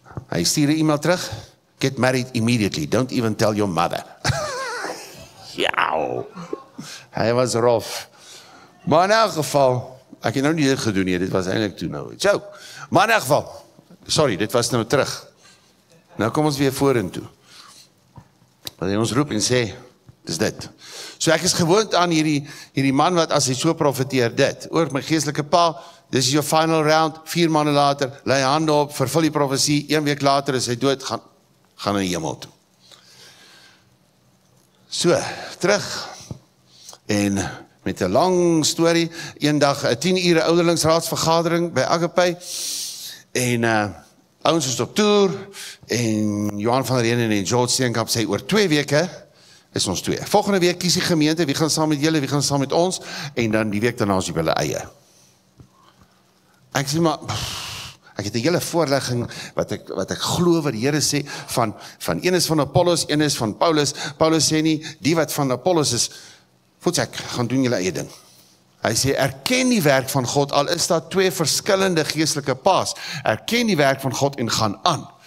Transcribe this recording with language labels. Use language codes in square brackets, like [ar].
[af] Hy stuur die e-mail terug, [en] get married immediately, don't even tell your mother. [af] Ja, hy was rof. Maar in elk geval, ek het nou nie dit gedoen nie, dit was eindelijk toe nou. So, maar in elk geval, sorry, dit was nou terug. Nou kom ons weer voor en toe. Wat hy ons roep en sê, dis dit. So ek is gewoond aan hierdie man wat as hy so profeteer dit, oor my geestelike pa, [en] this is your final round, [af] 4 maanden later, lay hande op, vervul die profesie, 1 week later is hy dood, gaan in die hemel toe. So, terug, en met 'n lang story, een dag, 10 uur ouderlingsraadsvergadering by Agapai, en ouens is op toer, en Johan van der Heyningen en George Steenkamp sê, oor 2 weke, is ons 2. Volgende week kies die gemeente, wie gaan saam met julle, wie gaan saam met ons, en dan die week daarna is die hulle eie. Ek sê maar, ek het die hele voorlegging, wat ek glo wat die Here sê, van een is van Apollos, een is van Paulus, Paulus sê nie, die wat van Apollos is, voets ek, gaan doen julle eie ding. Hy sê, erken die werk van God, al is daar 2 verskillende geestelike paas, erken die werk van God en gaan aan.